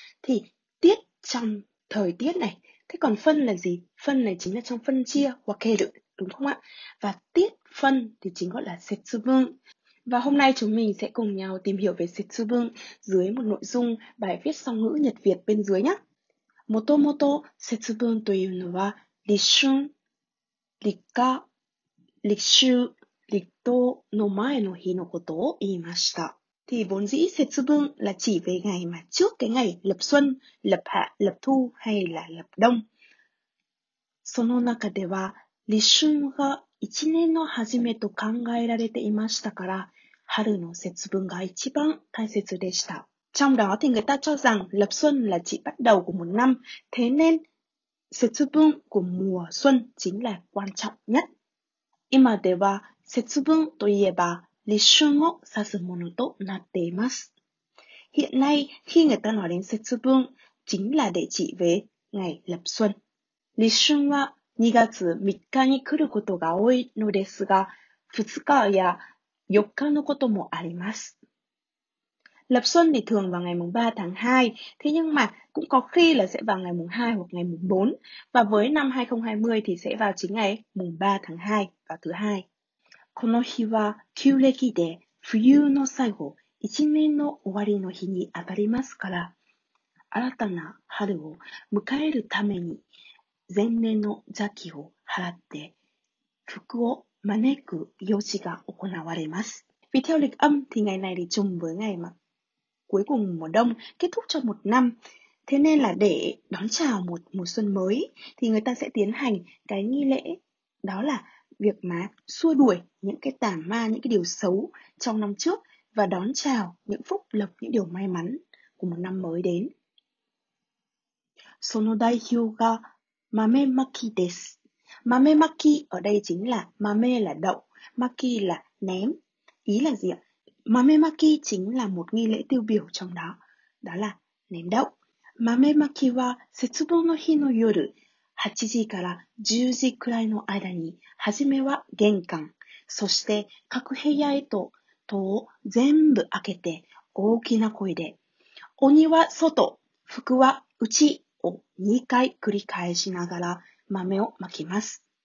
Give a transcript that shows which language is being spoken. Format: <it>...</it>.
<vi>Thì tiết trong thời tiết này. Thế còn phân là gì? Phân này chính là trong phân chia, wakeru, đúng không ạ? Và tiết phân thì chính gọi là setsubun. Và hôm nay chúng mình sẽ cùng nhau tìm hiểu về setsubun dưới một nội dung bài viết song ngữ Nhật Việt bên dưới nhé.</vi> <ja>Motomoto setsubun というのは立春、立夏、立秋、立冬の前の日のことを言いました。</ja> <vi>Thì vốn dĩ 節分 là chỉ về ngày mà trước cái ngày lập xuân, lập hạ, lập thu hay là lập đông.</vi> <ja>その中では立春が一年の始めと考えられていましたから、春の節分が一番大切でした。</ja> <vi>Trong đó thì người ta cho rằng lập xuân là chỉ bắt đầu của một năm, thế nên 節分 của mùa xuân chính là quan trọng nhất.</vi> <ja>今では節分といえば立春を指すものとなっています。</ja> <vi>Hiện nay, khi người ta nói đến 節分, chính là để chỉ về ngày lập xuân.</vi> <ja>立春は2月3日に来ることが多いのですが、2日や4日のこともあります。</ja> <vi>Lập xuân thì thường vào ngày mùng 3 tháng 2, thế nhưng mà cũng có khi là sẽ vào ngày mùng 2 hoặc ngày mùng 4. Và với năm 2020 thì sẽ vào chính ngày mùng 3 tháng 2, vào thứ hai.</vi> <ja>この日は旧暦で冬の最後、一年の終わりの日に当たりますから、新たな春を迎えるために前年の邪気を払って福を招く用事が行われます。</ja> <vi>Vì theo lịch âm thì ngày này thì trùng với ngày mà cuối cùng mùa đông kết thúc cho một năm. Thế nên là để đón chào một mùa xuân mới thì người ta sẽ tiến hành cái nghi lễ đó là việc mà xua đuổi những cái tà ma, những cái điều xấu trong năm trước và đón chào những phúc lộc, những điều may mắn của một năm mới đến.</vi> <ja>その代表が豆まきです。</ja> <vi>豆まき ở đây chính là mame là đậu, maki là ném. Ý là gì ạ? Mame maki chính là một nghi lễ tiêu biểu trong đó, đó là ném đậu.</vi> <ja>Mame maki wa setsubun no hi no yoru 8時から10時くらいの間に、はじめは玄関、そして各部屋へと戸を全部開けて大きな声で、鬼は外、福は内を2回繰り返しながら豆をまきます。</ja>